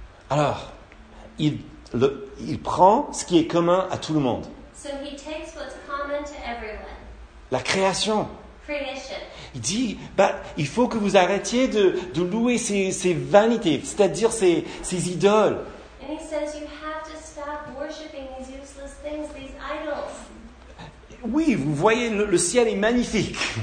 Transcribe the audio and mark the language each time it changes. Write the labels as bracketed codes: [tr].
[fr] Alors, il prend ce qui est commun à tout le monde. [en] So he takes what's common to everyone. [fr] La création. [en] Creation. [fr] Il dit, bah, il faut que vous arrêtiez de louer ces vanités, c'est-à-dire ces idoles. [en] And he says you have to stop worshiping these useless things, these idols. [fr] Oui, vous voyez, le ciel est magnifique.